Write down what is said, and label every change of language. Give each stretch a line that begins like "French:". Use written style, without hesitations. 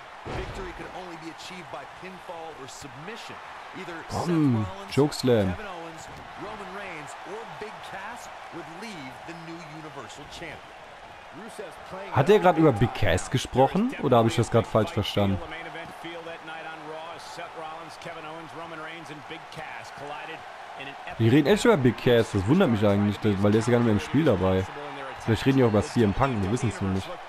English: Victory could only be achieved by pinfall or submission. Either Seth Rollins, Chokeslam. Kevin Owens, Roman Reigns, or Big Cass would leave the new universal champion. Rusev's playing.
German: Hat er gerade über Big Cass gesprochen oder habe ich das gerade falsch verstanden?
English: The main event field that night on Raw, Seth Rollins, Kevin Owens, Roman Reigns, and Big Cass collided.
German: Wir reden echt über Big Cass, das wundert mich eigentlich, weil der ist ja gar nicht mehr im Spiel dabei. Vielleicht reden die auch über CM Punk, wir wissen es nur nicht.